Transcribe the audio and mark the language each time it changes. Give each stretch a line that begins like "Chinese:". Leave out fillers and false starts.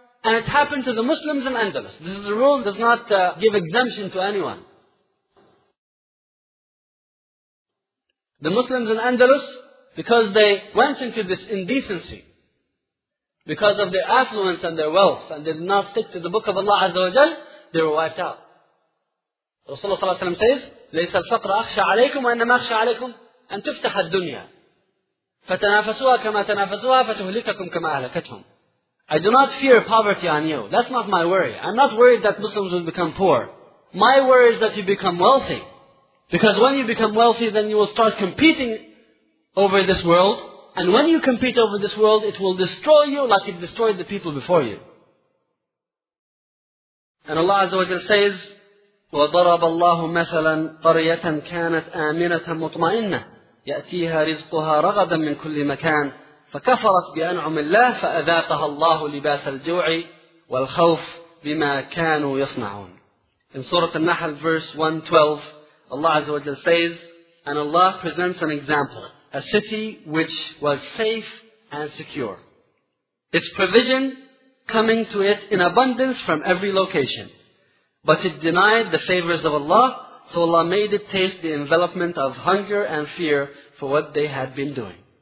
English: And it happened to the Muslims in Andalus. This is a rule that does not give exemption to anyone. The Muslims in Andalus, because they went into this indecency, because of their affluence and their wealth, and they did not stick to the book of Allah Azza wa Jal, they were wiped out.
Arabic: Rasulullah sallallahu alayhi wa sallam says, لَيْسَ الْفَقْرَ أَخْشَ عَلَيْكُمْ وَإِنَّمَا أَخْشَ عَلَيْكُمْ أَنْ تُفْتَحَ الدُّنْيَا فَتَنَافَسُوهَا كَمَا تَنَافَسُوهَا فَتُهْلِكَكُمْ كَمَا أَهْلَكَتْهُمْ.
English: I do not fear poverty on you. That's not my worry. I'm not worried that Muslims will become poor. My worry is that you become wealthy. Because when you become wealthy, then you will start competing over this world. And when you compete over this world, it will destroy you like it destroyed the people before you.
Arabic: And Allah Azza wa Jalla says, وَضَرَبَ اللَّهُ مَثَلًا قَرْيَةً كَانَتْ آمِنَةً مُطْمَئِنَّةً يَأْتِيهَا رِزْقُهَا رَغَدًا مِنْ كُلِّ مَكَانٍ فَكَفَرَتْ بِأَنْعُمِ اللَّهِ فَأَذَاقَهَا اللَّهُ لِبَاسَ الْجُوعِ وَالْخَوْفِ بِمَا كَانُوا يَصْنَعُونَ.
English: In Surah An-Nahl, verse 112, Allah Azza wa Jalla says, and Allah presents an example, a city which was safe and secure, its provision coming to it in abundance from every location. But it denied the favors of Allah, so Allah made it taste the envelopment of hunger and fear for what they had been doing.